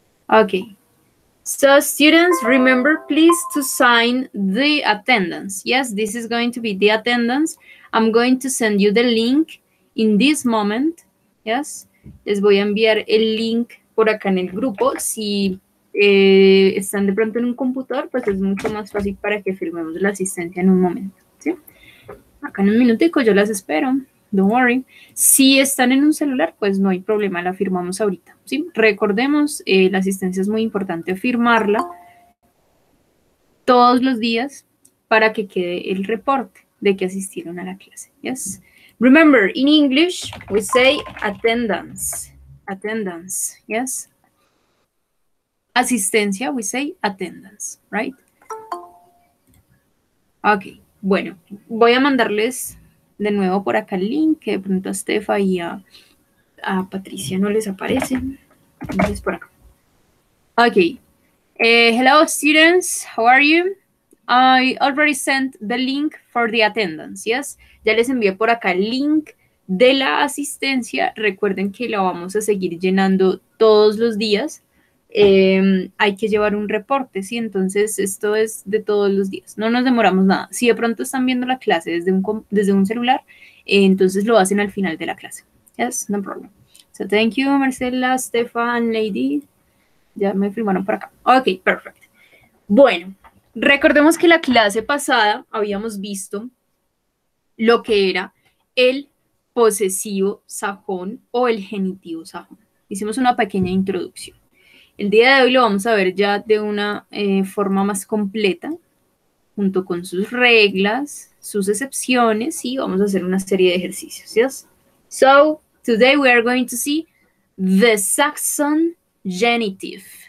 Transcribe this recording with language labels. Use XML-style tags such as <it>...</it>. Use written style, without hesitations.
<en>Okay. So, students, remember please to sign the attendance. Yes, this is going to be the attendance. I'm going to send you the link in this moment.</en> <es>Yes, les voy a enviar el link por acá en el grupo. Si están de pronto en un computador, pues es mucho más fácil para que firmemos la asistencia en un momento, ¿sí? Acá en un minutico yo las espero.</es> <en>Don't worry.</en> <es>Si están en un celular, pues no hay problema, la firmamos ahorita, ¿sí? Recordemos, la asistencia es muy importante, firmarla todos los días para que quede el reporte de que asistieron a la clase.</es> <en>Yes. Remember, in English, we say attendance. Attendance. Yes. Asistencia, we say attendance, right? Okay.</en> <es>Bueno, voy a mandarles de nuevo por acá el link, que de pronto a Estefa y a Patricia no les aparecen. Entonces, por acá.</es> <en>Okay. Hello, students. How are you? I already sent the link for the attendance, yes.</en> <es>Ya les envié por acá el link de la asistencia. Recuerden que la vamos a seguir llenando todos los días. Hay que llevar un reporte, ¿sí? Entonces, esto es de todos los días. No nos demoramos nada. Si de pronto están viendo la clase desde un celular, entonces lo hacen al final de la clase.</es> <en>Yes, no problem. So, thank you,</en> <es>Marcela, Stefan, Lady. Ya me firmaron por acá. Ok, perfecto. Bueno. Recordemos que la clase pasada habíamos visto lo que era el posesivo sajón o el genitivo sajón. Hicimos una pequeña introducción. El día de hoy lo vamos a ver ya de una forma más completa, junto con sus reglas, sus excepciones, y vamos a hacer una serie de ejercicios. ¿Sí?</es> <en>So, today we are going to see the Saxon genitive.</en>